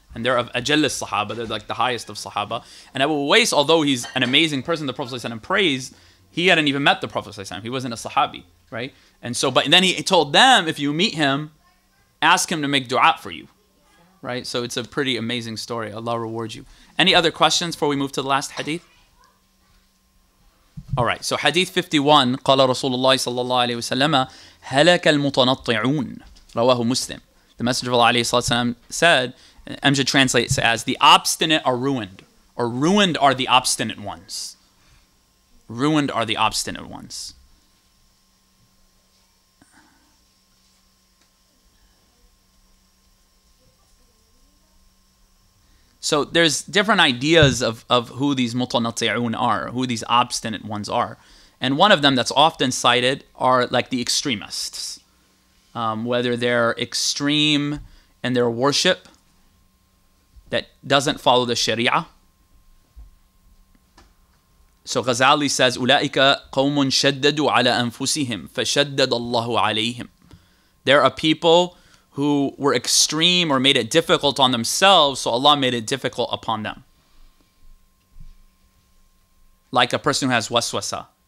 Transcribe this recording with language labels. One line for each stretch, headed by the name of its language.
English: And they're of Ajallis Sahaba, they're like the highest of Sahaba. And Abu Uwais, although he's an amazing person, the Prophet ﷺ praised, he hadn't even met the Prophet ﷺ. He wasn't a Sahabi, right? And so, but then he told them, if you meet him, ask him to make dua for you, right? So it's a pretty amazing story. Allah reward you. Any other questions before we move to the last hadith? All right, so hadith 51,
Arabic: قال رسول الله صلى الله عليه وسلم, هلك المتنطعون, رواه مسلم.
English: The Messenger of Allah ﷺ said, Amjad translates as, the obstinate are ruined, or ruined are the obstinate ones. Ruined are the obstinate ones. So there's different ideas of who these mutanati'un are, who these obstinate ones are. And one of them that's often cited are like the extremists. Whether they're extreme in their worship, that doesn't follow the Sharia. So Ghazali says,
Arabic: أُولَٰئِكَ قَوْمٌ شَدَّدُوا عَلَىٰ أَنفُسِهِمْ فَشَدَّدَ اللَّهُ عَلَيْهِمْ.
English: There are people who were extreme or made it difficult on themselves, so Allah made it difficult upon them. Like a person who has waswasa.